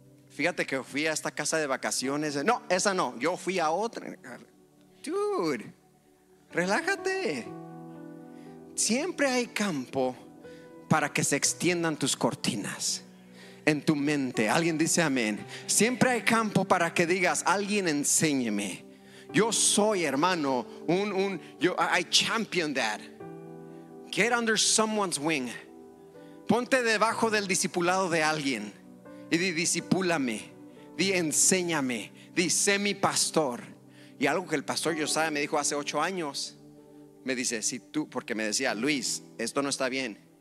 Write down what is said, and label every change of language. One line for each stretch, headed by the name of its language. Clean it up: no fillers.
Spanish: Fíjate que fui a esta casa de vacaciones. No, esa no, yo fui a otra. Dude, relájate. Siempre hay campo para que se extiendan tus cortinas en tu mente. Alguien dice amén. Siempre hay campo para que digas: alguien enséñeme. Yo soy, hermano,
English: I champion that. Get under someone's wing.
Spanish: Ponte debajo del discipulado de alguien y di: discipúlame, di: enséñame, di: sé mi pastor. Y algo que el pastor Josiah me dijo hace 8 años, me dice: si tú, porque me decía: Luis, esto no está bien.